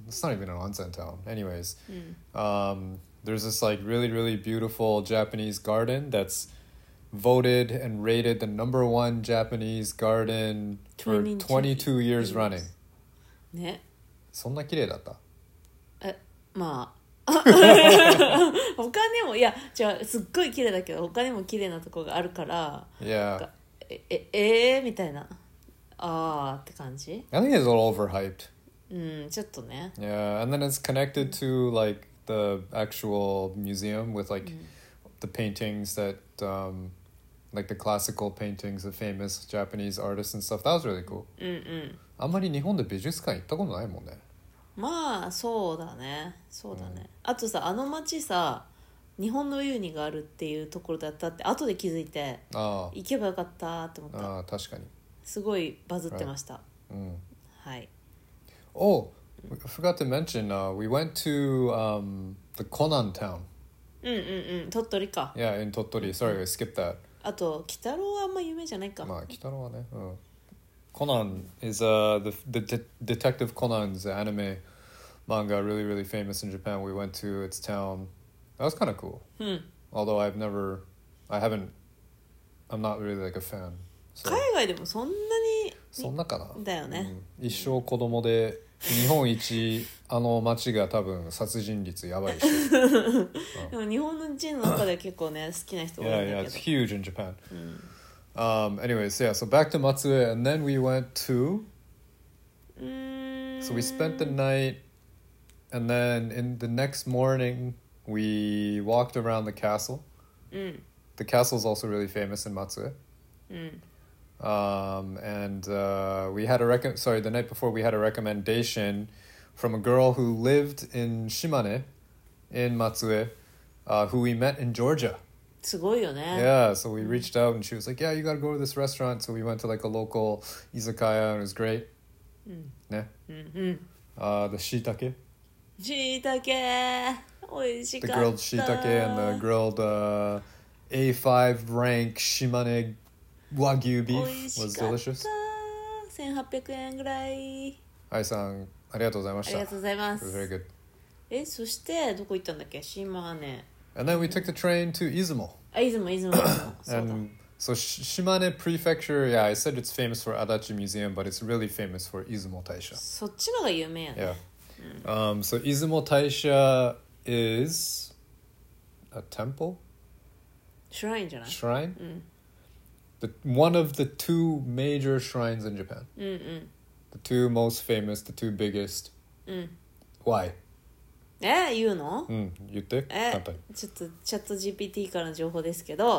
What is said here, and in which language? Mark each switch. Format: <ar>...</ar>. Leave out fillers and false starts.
<en>It's not even an onsen town. Anyways. Mm. There's this, like, really, really beautiful Japanese garden that's voted and rated the number one Japanese garden for 22 years running.</en> <ja>ね。そんな綺麗だった？え、まあ。他にも、いや、違う、すっごい綺麗だけど、他にも綺麗なとこがあるから、</ja> <en>yeah.</en> <ja>みたいな。あーって感じ？</ja> <en>I think it's a little overhyped.</en> <ja>うん、ちょっとね。</ja> <en>Yeah, and then it's connected to, like, the actual museum with, like, the paintings that, like the classical paintings of famous Japanese artists and stuff. That was really cool. Mm-mm.</en> <ja>あんまり日本で美術館行ったことないもんね。まあ、そうだね。そうだね。あとさ、あの街さ、日本のユニがあるっていうところだったって後で気づいて、ああ。行けばよかったって思った。ああ、確かに。すごいバズってました。うん。はい。</ja> <en>Oh, I forgot to mention, we went to, the Konan town.</en> <ja>うんうんうん、鳥取か。</ja> <en>Yeah, in Tottori. Sorry, I skipped that.</en> <ja>あと、鬼太郎はあんま有名じゃないか。まあ、鬼太郎はね。うん。</ja> <en>Conan is, Detective Conan's anime manga, really, really famous in Japan. We went to its town. That was kind of cool.</en> <ja>うん。</ja> <en>Although I'm not really like a fan.</en> <ja>So. 海外でもそんなに。そんなかな。だよね。うん、一生子供で。日本一あの町が多分殺人率やばいし、うん、でも日本の人の中で結構ね好きな人多いんだけど</ja> <en>yeah, yeah, it's huge in Japan、</en> <ja>うん、</ja> <en>anyways, yeah, so back to Matsue and then we went to so we spent the night and then in the next morning we walked around the castle、</en> <ja>うん、</ja> <en>the castle is also really famous in Matsue、</en> <ja>うん</ja> <en>We had a the night before we had a recommendation from a girl who lived in Shimane, in Matsue, who we met in Georgia.</en> <ja>すごいよね。</ja> <en>Yeah, so we reached out and she was like, yeah, you gotta go to this restaurant. So we went to like a local izakaya and it was great.</en> <ja>ね。</ja> <en>The shiitake. Shiitake! The grilled shiitake and the grilled A5 rank Shimane Wagyu beef was delicious.</en> <ja>1800 yen ぐらい。愛さん、ありがとうございました。ありがとうございます。</ja> <en>It was very good.</en> <ja>え、そしてどこ行ったんだっけ？シマネ。</ja> <en>And then we took the train to Izumo.</en> <ja>あ、Izumo.</ja> <en>And so Shimane Prefecture, yeah, I said it's famous for Adachi Museum, but it's really famous for Izumo Taisha.</en> <ja>そっちのが有名やね。</ja> <en>Yeah. So Izumo Taisha is a temple?</en> <ja>Shrine じゃない？</ja> <en>Shrine?</en> <ja>うん。</ja> <en>One of the two major shrines in Japan. Mm-mm. The two most famous, the two biggest. Mm. Why? Eh, you know? You think?</en> <ja>Just chat GPT からの情報ですけど、</ja>